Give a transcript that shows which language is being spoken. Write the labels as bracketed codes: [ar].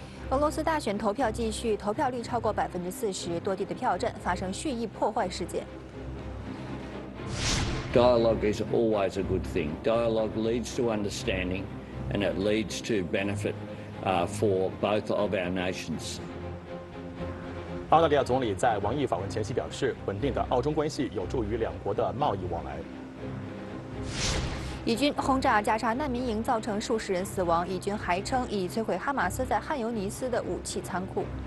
[zh] 俄罗斯大选投票继续，投票率超过40%，多地的票站发生蓄意破坏事件。 [en] Dialogue is always a good thing. Dialogue leads to understanding, and it leads to benefit for both of our nations. [zh] 澳大利亚总理在王毅访问前夕表示，稳定的澳中关系有助于两国的贸易往来。以军轰炸加沙难民营，造成数十人死亡。以军还称已摧毁哈马斯在汉尤尼斯的武器仓库。